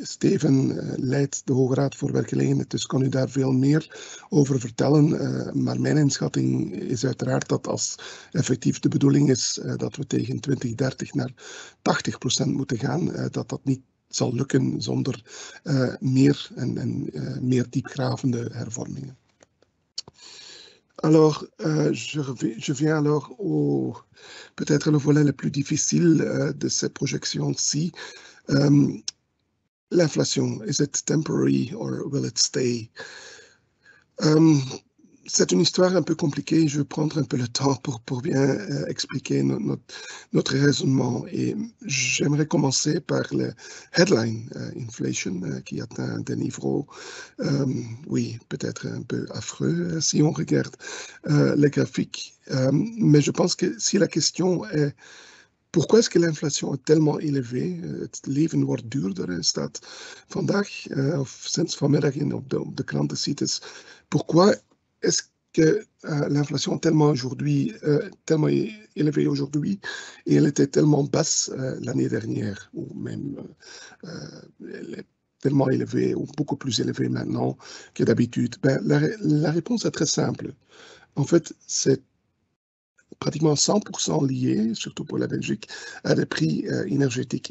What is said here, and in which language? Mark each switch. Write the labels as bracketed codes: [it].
[nl] Steven leidt de Hoge Raad voor Werkgelegenheid, dus kan u daar veel meer over vertellen. Maar mijn inschatting is uiteraard dat als effectief de bedoeling is dat we tegen 2030 naar 80% moeten gaan, dat niet zal lukken zonder meer diepgravende hervormingen. [fr] Alors, je viens alors au peut-être le volet le plus difficile de ces projections-ci. [en] L'inflation, is it temporary or will it stay? [fr] C'est une histoire un peu compliquée. Je vais prendre un peu le temps pour bien expliquer notre raisonnement. Et j'aimerais commencer par le headline inflation qui atteint des niveaux, peut-être un peu affreux si on regarde les graphiques. Mais je pense que si la question est pourquoi est-ce que l'inflation est tellement élevée? [nl] Het leven wordt duurder, staat vandaag of sinds vanmiddag op de krantencites. [fr] Pourquoi est-ce que l'inflation est tellement élevée aujourd'hui et elle était tellement basse l'année dernière, ou même elle est tellement élevée ou beaucoup plus élevée maintenant que d'habitude? Ben, la réponse est très simple. En fait, c'est pratiquement 100% lié, surtout pour la Belgique, à des prix énergétiques.